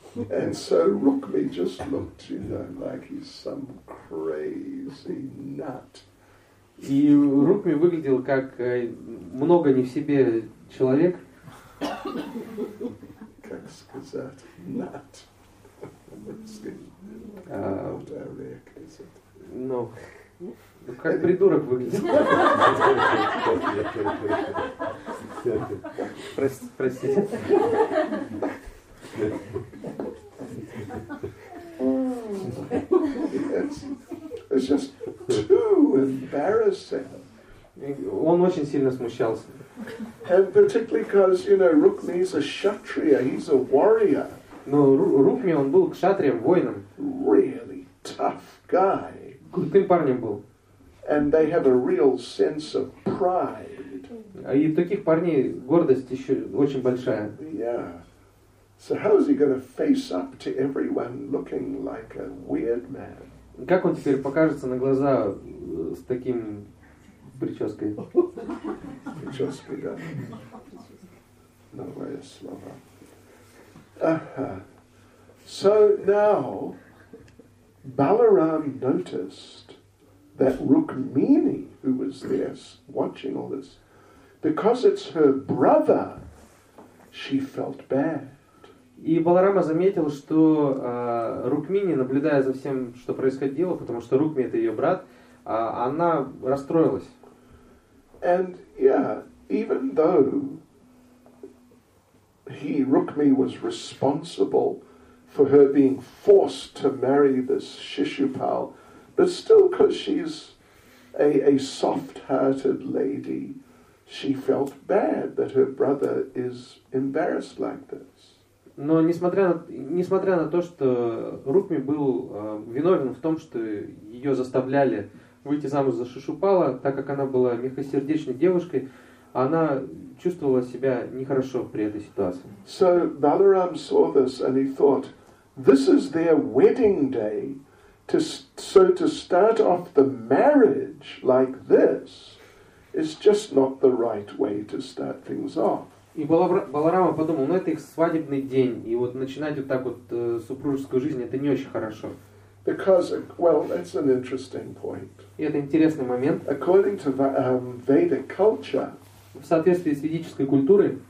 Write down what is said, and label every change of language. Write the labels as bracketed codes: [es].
[en] And so Rukmi just looked, you know, like he's some crazy nut. [ru] И Рукми выглядел как много не в себе человек. Как сказать, nut. [en] Not a wreck, is it? No. [ru] Ну, как Any... придурок выглядел. Простите. [en] It's just too embarrassing. [ru] Он очень сильно смущался. [en] And particularly because, you know, Rukmi is a kshatriya, he's a warrior. [ru] Но Рукми, он был кшатрием, воином. [en] Really tough guy. [ru] Крутым парнем был. [en] And they have a real sense of pride. [ru] И таких парней гордость еще очень большая. [en] So how is he going to face up to everyone looking like a weird man? [ru] Как он теперь покажется на глаза с таким прической? Прической, да. Новое слово. [en] So now, Balaram noticed that Rukmini, who was there watching all this, because it's her brother, she felt bad. [ru] И Баларама заметил, что Рукмини, наблюдая за всем, что происходило, потому что Рукми это ее брат, она расстроилась. [en] And yeah, even though he Rukmi was responsible for her being forced to marry this Shishupal, but still, because she's a soft-hearted lady, she felt bad that her brother is embarrassed like this. [ru] Но несмотря на то, что Рукми был виновен в том, что ее заставляли выйти замуж за Шишупала, так как она была мягкосердечной девушкой, она чувствовала себя нехорошо при этой ситуации. [en] So Balaram saw this and he thought, this is their wedding day, so to start off the marriage like this is just not the right way to start things off. [ru] И Баларама подумал, ну это их свадебный день, и вот начинать вот так вот супружескую жизнь, это не очень хорошо. [en] Because, well, that's an interesting point. [ru] И это интересный момент. [en] According to Vedic culture, [ru] в соответствии с ведической культурой,